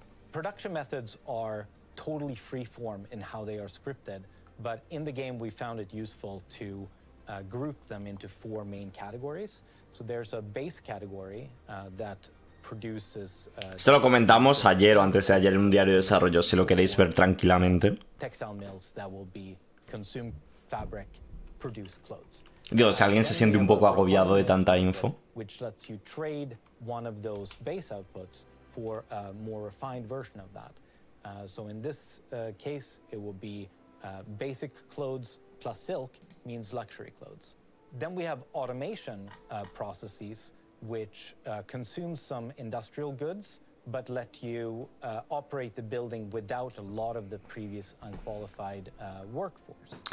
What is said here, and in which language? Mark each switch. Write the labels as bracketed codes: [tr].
[en] Production methods are totally freeform in how they are scripted, but in the game we found it useful to group them into four main categories. So there's a base category that produces. [es] Esto lo comentamos ayer o antes de ayer en un diario de desarrollo, si lo queréis ver tranquilamente. [en] Textile mills that will be consume fabric, produce clothes. [es] Digo, si alguien se siente un poco agobiado de tanta info. [en] Which lets you trade one of those base outputs for a more refined version of that. So in this case, it will be basic clothes plus silk means luxury clothes. Then we have automation processes, which consume some industrial goods, but let you operate the building without a lot of the previous unqualified workforce.